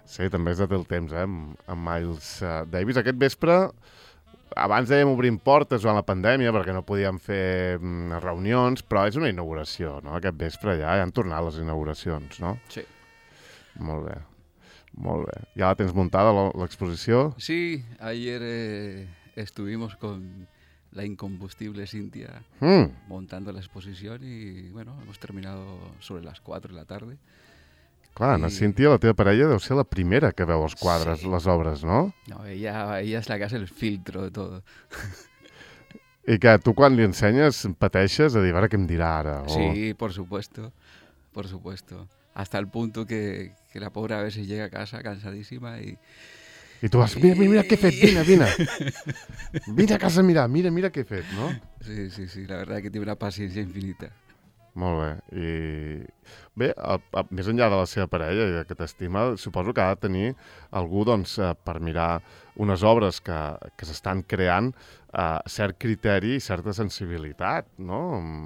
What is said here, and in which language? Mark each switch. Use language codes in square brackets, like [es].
[ca] Sí, també és de teu temps, eh? Amb Miles Davis. Aquest vespre, abans dèiem obrint portes durant la pandèmia perquè no podíem fer reunions, però és una inauguració, no? Aquest vespre ja han tornat les inauguracions, no? Sí. Molt bé. Molt bé. Ja la tens muntada, l'exposició? [es] Sí, ayer estuvimos con la incombustible Cintia montando la exposición y bueno, hemos terminado sobre las 4 de la tarde. [ca] Clar, la Cintia, la teva parella, deu ser la primera que veu els quadres, sí. Les obres, no? [es] No, ella és la que hace el filtro de todo. [ca] I que tu quan li ensenyes pateixes a dir, a veure què em dirà ara? O... [es] Sí, por supuesto, por supuesto. Hasta el punto que la pobre a veces llega a casa cansadísima y... [ca] I tu vas, mira què he fet, vine. Vine a casa a mirar, mira què he fet, no? [es] Sí, la verdad es que [ca] té una paciència infinita. Molt bé. I bé, més enllà de la seva parella i que t'estima, suposo que ha de tenir algú doncs, per mirar unes obres que s'estan creant cert criteri i certa sensibilitat, no?